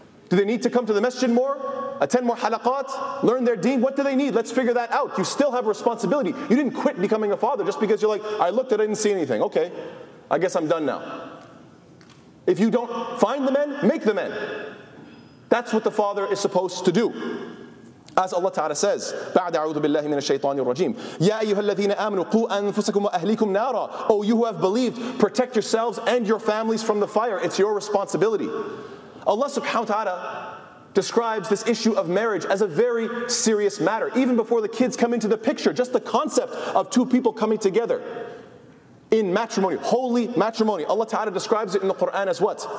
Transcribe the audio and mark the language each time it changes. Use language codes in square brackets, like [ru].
[en] Do they need to come to the masjid more? Attend more halaqat? Learn their deen? What do they need? Let's figure that out. You still have a responsibility. You didn't quit becoming a father just because you're like, I looked and I didn't see anything. Okay, I guess I'm done now. If you don't find the men, make the men. That's what the father is supposed to do. As Allah Ta'ala says, [ar] بعد أعوذ بالله من الشيطان الرجيم يا أيها الذين آمنوا قوا أنفسكم وأهليكم نارا. [en] O you who have believed, protect yourselves and your families from the fire. It's your responsibility. Allah Subhanahu wa Ta'ala describes this issue of marriage as a very serious matter. Even before the kids come into the picture, just the concept of two people coming together in matrimony, holy matrimony, Allah Ta'ala describes it in the Quran as what?